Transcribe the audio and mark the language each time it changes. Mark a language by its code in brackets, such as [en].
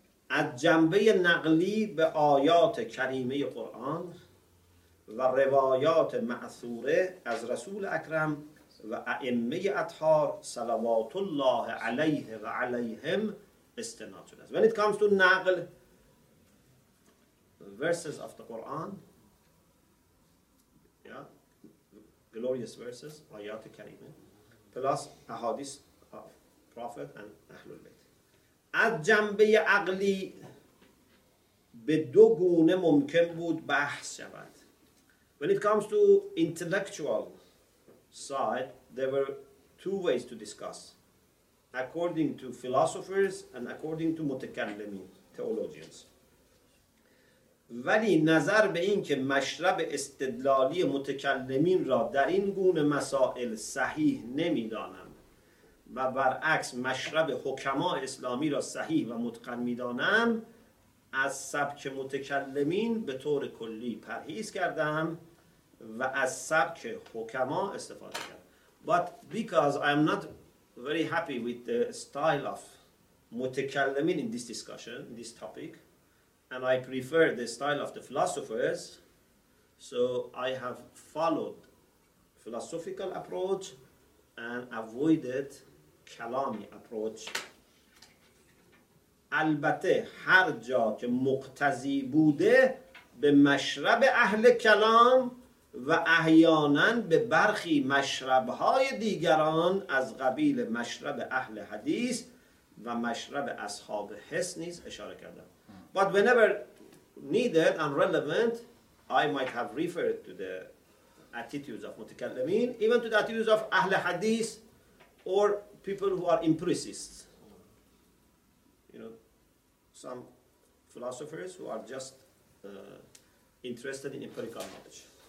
[fa] از جنبه نقلی به آیات کریمه قرآن و روایات معثوره از رسول اکرم و ائمه اطهار صلوات الله علیه و علیهم استناد شده است. [en] When it comes to نقل, verses of the Quran, glorious verses, آیات کریمه, plus احادیث of prophet and اهل بیت. [fa] از جنبه عقلی به دو گونه ممکن بود بحث شود. [en] When it comes to intellectual side, there were two ways to discuss, according to philosophers and according to mutakallimin, theologians. [fa] ولی نظر به این که مشرب استدلالی متکلمین را در این گونه مسائل صحیح نمیدانم و برعکس مشرب حکما اسلامی را صحیح و متقن میدانم، از سبک متکلمین به طور کلی پرهیز کردم و از سبک حکما استفاده کردم. [en] But because I am not very happy with the style of متکلمین in this discussion, in this topic, and I prefer the style of the philosophers, so I have followed philosophical approach and avoided kalami approach. [fa] البته هر جا که مقتضی بوده به مشرب اهل کلام و احیاناً به برخی مشربهای دیگران از قبیل مشرب اهل حدیث و مشرب اصحاب حس نیز اشاره کردم. [en] But whenever needed and relevant, I might have referred to the attitudes of Mutakallimin, even to the attitudes of Ahl Hadith or people who are empiricists. You know, some philosophers who are just interested in empirical knowledge.